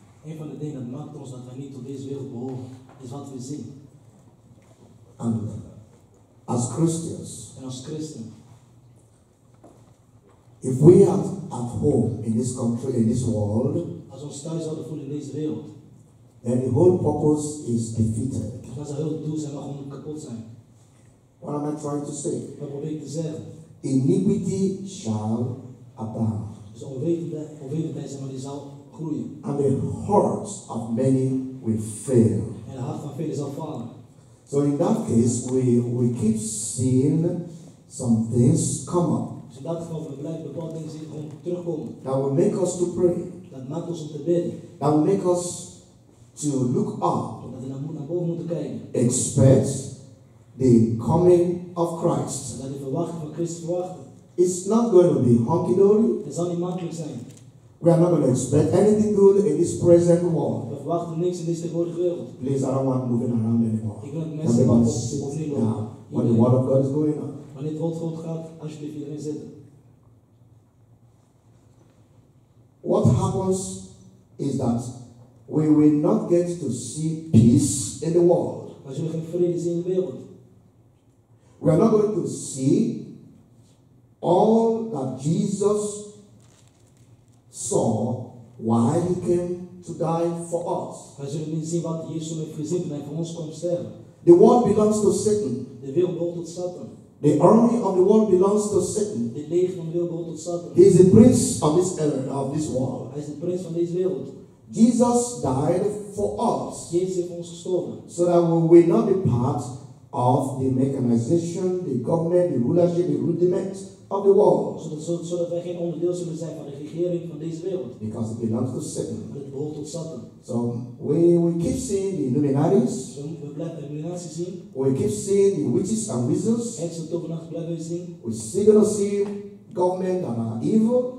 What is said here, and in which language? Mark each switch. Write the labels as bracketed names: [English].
[English] One of the things that makes us not to this world is what we see. And as Christians, and as Christian, if we are at home in this country, in this world, [Dutch] as ons thuis hadden voelen in deze wereld, [English] then the whole purpose is defeated. [Dutch] Dat is het hele doel, zijn we gewoon kapot zijn. [English] What am I trying to say? [Dutch] Wat probeer ik te zeggen? [English] Iniquity shall abound. [Dutch] Dus onwetendheid zeg maar, die zal groeien. [English] And the hearts of many will fail. [Dutch] En de hart van velen zal falen. [English] So in that case, we keep seeing some things come up. [Dutch] Dus in dat geval, we blijven bepaalde dingen zien gewoon terugkomen. [English] That will make us to pray. [Dutch] Dat maakt ons om te bidden. [English] That will make us to look up. [Dutch] Dat we naar boven moeten kijken. [English] Expect the coming of Christ. [Dutch] Dat we verwachten van Christus verwachten. [English] It's not going to be hunky dory. [Dutch] Het zal niet makkelijk zijn. [English] We are not going to expect anything good in this present world. [Dutch] We verwachten niks in deze huidige wereld. [English] Please, I don't want moving around anymore. [Dutch] Ik wil niet mensen gaan zitten. [English] Ja, when the word of God is going on. [Dutch] Wanneer het woord van God gaat, alsjeblieft iedereen zitten. [English] What happens is that we will not get to see peace in the world. [Dutch] We zullen geen vrede zien in de wereld. [English] We are not going to see all that Jesus saw while he came to die for us. [Dutch] We zullen niet zien wat Jezus heeft gezien toen hij voor ons kwam sterven. [English] The world belongs to Satan. [Dutch] De wereld behoort tot Satan. [English] The army of the world belongs to Satan. [Dutch] De leger van de wereld behoort tot Satan. [English] He is the prince of this earth, of this world. [Dutch] Hij is de prins van deze wereld. [English] Jesus died for us. [Dutch] Jezus heeft ons gestorven. [English] So that we will not be part of the mechanization, the government, the rulership, the rudiments of the world. [Dutch] Zodat wij geen onderdeel zullen zijn van de regering van deze wereld. [English] Because it belongs to Satan. [Dutch] Het behoort tot Satan. [English] So we keep seeing the Illuminatis. [Dutch] We blijven de Illuminati zien. [English] We keep seeing the witches and wizards. [Dutch] Heksen, tovenaars blijven we zien. [English] We're still gonna see Government are evil.